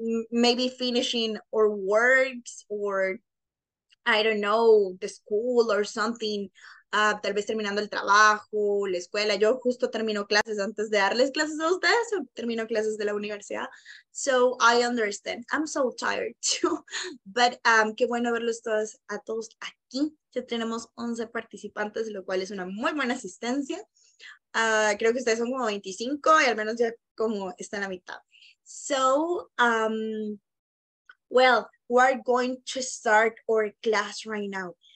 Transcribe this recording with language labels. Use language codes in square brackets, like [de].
[en] Maybe finishing our works or, I don't know, the school or something. [es] Tal vez terminando el trabajo, la escuela. Yo justo termino clases antes de darles clases a ustedes o termino clases de la universidad. [en] So I understand. I'm so tired too. But [es] qué bueno verlos todos, a todos aquí. Ya tenemos 11 participantes, lo cual es una muy buena asistencia. Creo que ustedes son como 25 y al menos ya como están a mitad. [en] So, well, we're going to start our class right now.